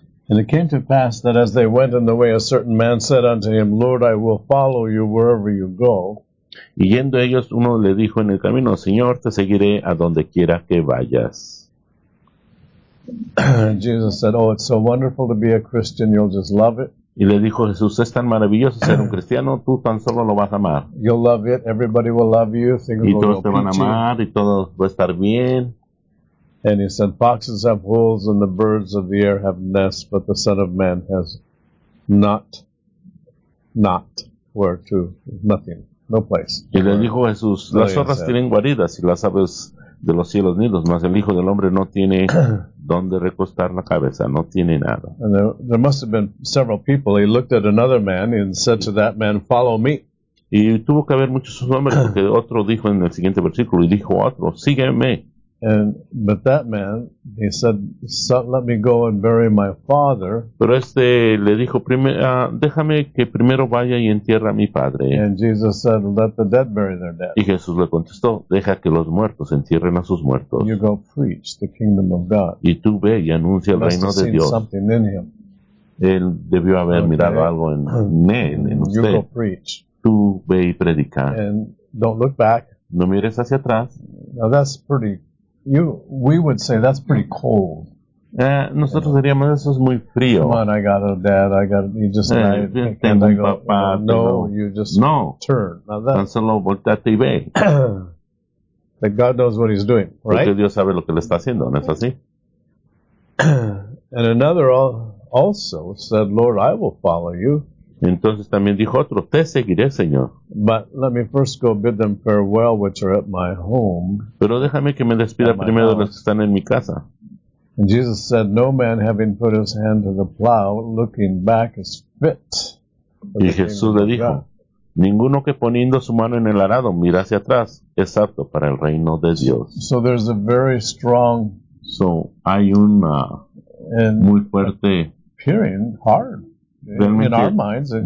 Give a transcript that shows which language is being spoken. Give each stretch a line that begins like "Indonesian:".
English: And it came to pass that as they went in the way, a certain man said unto him, Lord, I will follow you wherever you go.
Spanish: Y yendo ellos, uno le dijo en el camino, Señor, te seguiré a donde quiera que vayas.
English: Jesus said, oh, it's so wonderful to be a Christian, you'll just love it.
Spanish: Y le dijo Jesús, es tan maravilloso ser un cristiano, tú tan solo lo vas a amar.
English: You'll love it, everybody will love you, things will go peachy.
Spanish: Y todos te van a amar, y todo va a estar bien.
English: And he said, foxes have holes and the birds of the air have nests, but the Son of Man has not where to, nothing, no place.
Spanish: Y le dijo Jesús, las zorras tienen guaridas y las aves de los cielos nidos, mas el Hijo del Hombre no tiene donde recostar la cabeza, no tiene nada.
English: And there must have been several people. He looked at another man and said to that man, follow me.
Spanish: Y tuvo que haber muchos hombres, porque otro dijo en el siguiente versículo, y dijo otro, sígueme.
English: But that man, he said, let me go and bury my father.
Spanish: Pero este le dijo, déjame que primero vaya y entierre a mi padre.
English: And Jesus said, let the dead bury their dead.
Spanish: Y Jesús le contestó, deja que los muertos entierren a sus muertos.
English: You go preach the kingdom of God.
Spanish: Y tú ve y anuncia el reino de Dios.
English: Something in him.
Spanish: Él debió haber mirado algo en usted.
English: You go preach.
Spanish: Tú ve y predica.
English: And don't look back.
Spanish: No mires hacia atrás.
English: Now that's pretty. We would say that's pretty cold.
Spanish: Nosotros diríamos eso es muy frío.
English: Come on, I got a dad. I got you just. Turn. Now that.
Spanish: Solo volteate y ve.
English: That God knows what He's doing, right?
Spanish: Porque Dios sabe lo que le está haciendo, ¿no es así?
English: And another also said, "Lord, I will follow you."
Spanish: Entonces también dijo otro, te seguiré, Señor.
English: But let me first go bid them farewell which are at my home.
Spanish: Pero déjame que me despida primero de los que están en mi casa.
English: And Jesus said, no man having put his hand to the plow looking back is fit.
Spanish: Y Jesús le dijo, ninguno que poniendo su mano en el arado mira hacia atrás es apto para el reino de Dios.
English: So there's a very strong.
Spanish: So hay una muy fuerte.
English: Peering hard. In our minds, in